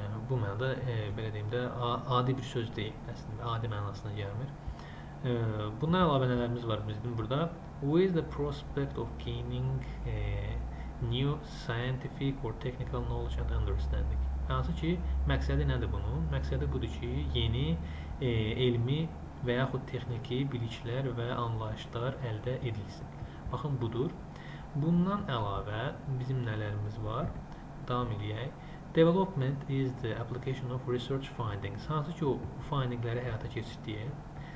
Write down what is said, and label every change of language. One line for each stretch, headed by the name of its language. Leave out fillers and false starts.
Azerbaijani: Bu mənada belə deyim də adi bir söz deyil. Aslında adi mənasına gəlmir. Bundan əlavə nələrimiz var bizim burada.
English: With the prospect of gaining new scientific or technical knowledge and understanding.
Azerbaijani: Hansı ki, məqsədi nədir bunun? Məqsədi budur ki, yeni elmi və yaxud texniki biliklər və anlayışlar əldə edilsin. Baxın, budur. Bundan əlavə bizim nələrimiz var? Davam edək.
English: Development is the application of research findings.
Azerbaijani: Hansı ki, o findingləri həyata keçirdik.